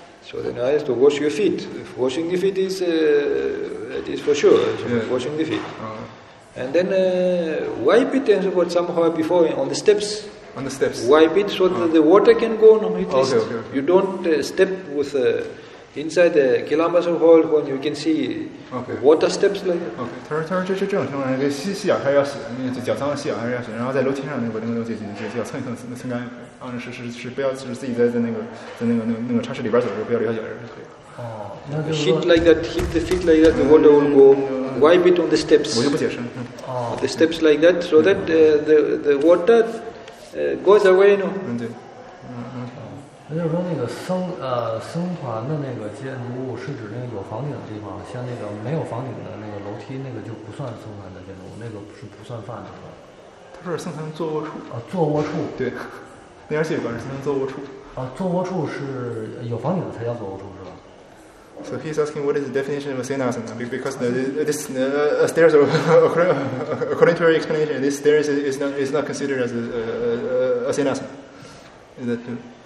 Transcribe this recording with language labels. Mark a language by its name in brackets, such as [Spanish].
[English] So then I have to wash your feet. Washing the feet is for sure. Yeah. Washing the feet. And then wipe it and so forth somehow before on the steps. On the steps. Wipe it so that the water can go on. Okay. You don't step with inside the Gyalpa's hall when you can see. Okay. Water steps like. Okay. [Chinese] 他说这是这种情况，洗脚还是要洗，因为脚脏的洗脚还是要洗，然后在楼梯上那个脚蹭一蹭，蹭干，是不要，是自己在那个超市里边走的时候不要留下脚印就可以了。哦，那 [English] 就 hit like that, the water will go. Wipe it on the steps. [Chinese] 我就不解释。 [English] The steps like that, so that the water goes away, you know. [Chinese] 对。那就是说，那个僧团的那个建筑物是指那个有房顶的地方，像那个没有房顶的那个楼梯，那个就不算僧团的建筑物，那个是不算饭的。它是僧团坐卧处。啊，坐卧处。对，那边写的是僧团坐卧处。啊，坐卧处是有房顶的才叫坐卧处是吧 [English] ？So he's asking what is the definition of sannyasana? Because this stairs according to your explanation, this stairs is not considered as a sannyasana. Is that true?